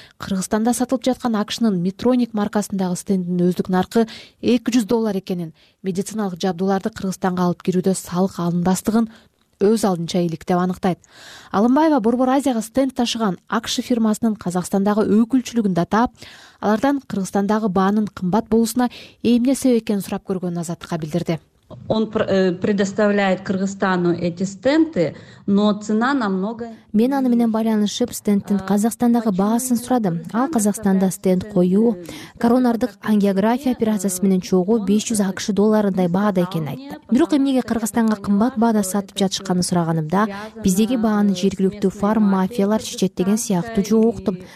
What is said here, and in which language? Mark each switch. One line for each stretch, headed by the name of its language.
Kyrgyz: Кыргызстанда сатылып жаткан АКШнын Metronic маркасындагы стенддин өздүк наркы 200 доллар экенин, медициналык жабдууларды Кыргызстанга алып кирүүдө салык алынбастыгын өз алдынча иликтеп аныктайт. Алымбаева Борбор Азияга стенд ташыган АКШ фирмасынын Казакстандагы өкүлчүлүгүн датап, алардан Кыргызстандагы баанын кымбат болуусуна эмне себеп экенин сурап көргөнүн Азатка билдирди.
Russian: Он предоставляет Кыргызстану эти стенды, но цена намного.
Kyrgyz: Мен аны менен байланышып стенддин Казакстандагы баасын сурадым. Ал Казакстанда стенд коюу коронардык ангиография операциясы менен чогуу 500 АКШ долларындай баада экенин айтты. Бирок эмнеге Кыргызстанга кымбат баада сатып жатышканын сураганымда, биздеги бааны жергиликтүү фарм мафиялар чечет деген сыяктуу жооктум.